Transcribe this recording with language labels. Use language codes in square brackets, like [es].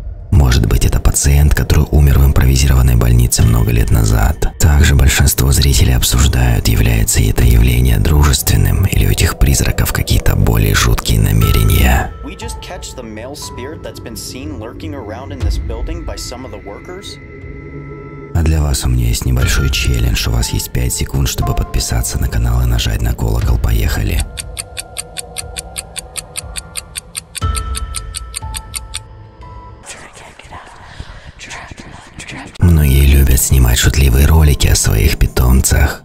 [ru] Может быть, это пациент, который умер в импровизированной больнице много лет назад. Также большинство зрителей обсуждают, является ли это явление дружественным, или у этих призраков какие-то более жуткие намерения. [en] We just catch the male spirit that's been seen lurking around in this building by some of the workers. [ru] А для вас у меня есть небольшой челлендж. У вас есть 5 секунд, чтобы подписаться на канал и нажать на колокол. Поехали. Многие любят снимать шутливые ролики о своих питомцах.